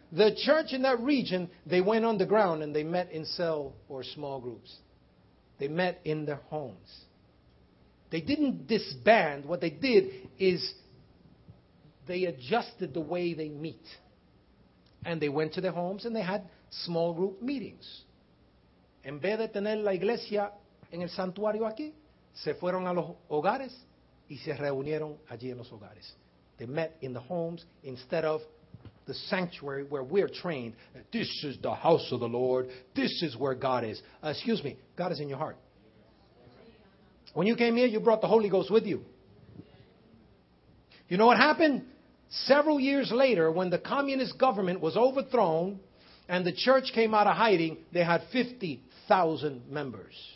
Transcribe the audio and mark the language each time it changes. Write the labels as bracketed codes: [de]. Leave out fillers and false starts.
[en] The church in that region, they went underground and they met in cell or small groups. They met in their homes. They didn't disband. What they did is they adjusted the way they meet. And they went to their homes and they had small group meetings. [es] En vez de tener la iglesia en el santuario aquí, se fueron a los hogares y se reunieron allí en los hogares. [en] They met in the homes instead of the sanctuary where we're trained. This is the house of the Lord. This is where God is. Excuse me, God is in your heart. When you came here, you brought the Holy Ghost with you. You know what happened? Several years later, when the communist government was overthrown and the church came out of hiding, they had 50,000 members.